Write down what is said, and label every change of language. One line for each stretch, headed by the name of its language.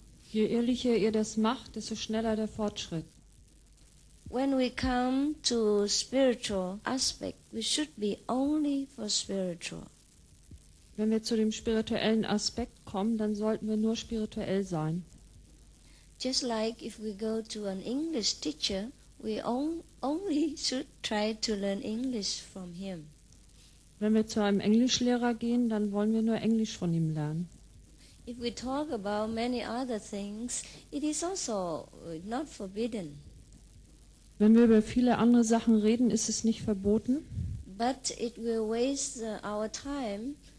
German: Je ehrlicher ihr das macht, desto schneller der Fortschritt.
English: When we come to spiritual aspect, we should be only for spiritual.
German: Wenn wir zu dem spirituellen Aspekt kommen, dann sollten wir nur spirituell sein.
English: Just like if we go to an English teacher, we only should try to learn English from him.
German: Wenn wir zu einem Englischlehrer gehen, dann wollen wir nur Englisch von ihm lernen.
English: If we talk about many other things, it is also not forbidden.
German: Wenn wir über viele andere Sachen reden, ist es nicht verboten.
English: But it will waste our time.